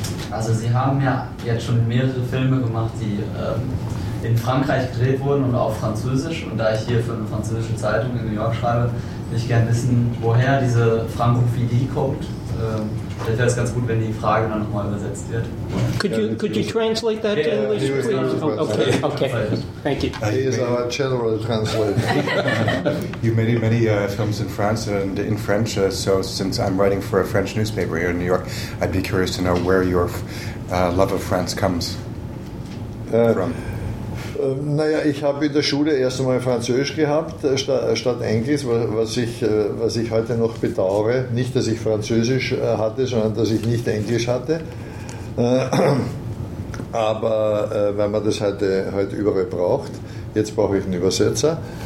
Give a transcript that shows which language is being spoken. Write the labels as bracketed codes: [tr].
[de] Also Sie haben ja jetzt schon mehrere Filme gemacht, die in Frankreich gedreht wurden und auf Französisch. Und da ich hier für eine französische Zeitung in New York schreibe, würde ich gerne wissen, woher diese Frankophilie kommt. Vielleicht wäre es ganz gut, wenn die Frage dann nochmal übersetzt wird. [en] Could you translate that to English, please? Okay. Thank you. He is our general translator. You've made many films in France and in French, so since I'm writing for a French newspaper here in New York, I'd be curious to know where your love of France comes from. [de] Naja, ich habe in der Schule erst einmal Französisch gehabt, statt Englisch, was ich heute noch bedauere. Nicht, dass ich Französisch hatte, sondern dass ich nicht Englisch hatte. Aber weil man das heute überall braucht, jetzt brauche ich einen Übersetzer.